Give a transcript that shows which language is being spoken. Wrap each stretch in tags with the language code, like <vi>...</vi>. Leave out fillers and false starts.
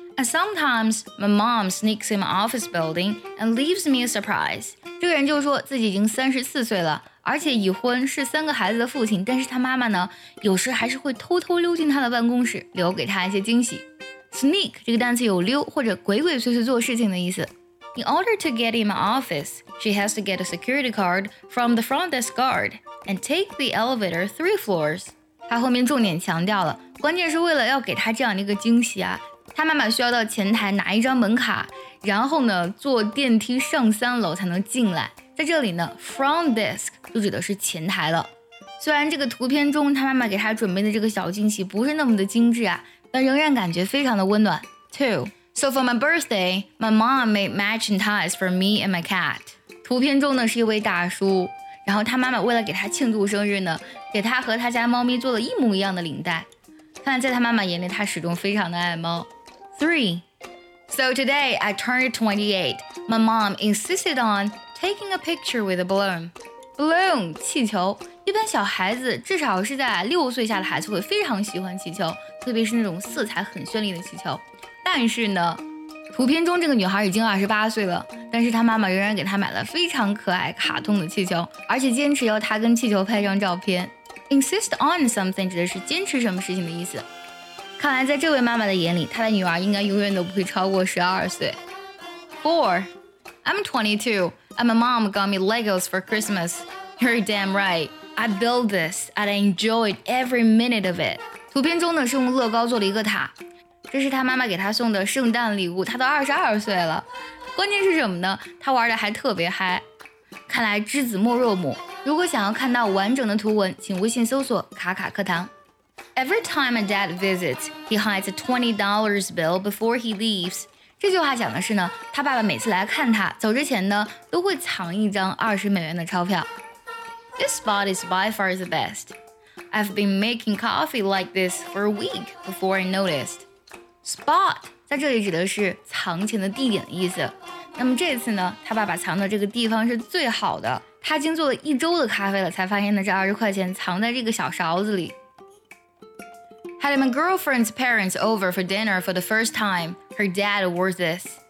<en>And sometimes my mom sneaks in my office building and leaves me a surprise.</en> <zh>这个人就说自己已经34岁了，而且已婚，是三个孩子的父亲，但是他妈妈呢，有时还是会偷偷溜进他的办公室，留给他一些惊喜。 Sneak 这个单词有溜或者鬼鬼祟祟做事情的意思。</zh> <en>In order to get in my office, she has to get a security card from the front desk guard and take the elevator 3 floors.</en> <zh>他后面重点强调了，关键是为了要给他这样的一个惊喜啊。他妈妈需要到前台拿一张门卡，然后呢坐电梯上三楼才能进来。在这里呢 ，front desk 就指的是前台了。虽然这个图片中他妈妈给他准备的这个小惊喜不是那么的精致啊，但仍然感觉非常的温暖。</zh> <en>Two. So for my birthday, my mom made matching ties for me and my cat.</en> <zh>图片中呢是一位大叔。然后他妈妈为了给他庆祝生日呢，给他和他家猫咪做了一模一样的领带。看在他妈妈眼里，他始终非常的爱猫。</zh> <en>Three. So today I turned 28. My mom insisted on taking a picture with a balloon. Balloon,</en> <zh>气球。一般小孩子至少是在六岁下的孩子会非常喜欢气球，特别是那种色彩很绚丽的气球。但是呢，图片中这个女孩已经28岁了，但是她妈妈仍然给她买了非常可爱卡通的气球，而且坚持要她跟气球拍张照片。</zh> <en>Insist on something</en> <zh>指的是坚持什么事情的意思。看来在这位妈妈的眼里，她的女儿应该永远都不会超过12岁。</zh> <en>Four. I'm 22 and my mom got me Legos for Christmas. You're damn right. I built this and I enjoyed every minute of it.</en> <zh>图片中呢是用乐高做了一个塔。这是他妈妈给他送的圣诞礼物，他都22岁了。关键是什么呢？他玩的还特别嗨。看来知子莫若母。如果想要看到完整的图文，请微信搜索卡卡课堂。</zh> <en>Every time my dad visits, he hides a $20 bill before he leaves.</en> <zh>这句话讲的是呢，他爸爸每次来看他，走之前呢，都会藏一张$20的钞票。</zh> <en>This spot is by far the best. I've been making coffee like this for a week before I noticed.</en> <zh>Spot 在这里指的是藏钱的地点的意思。那么这次呢，他爸爸藏的这个地方是最好的。他经做了一周的咖啡了，才发现的这20藏在这个小勺子里。</zh> <en>Had my girlfriend's parents over for dinner for the first time. Her dad wore this.</en>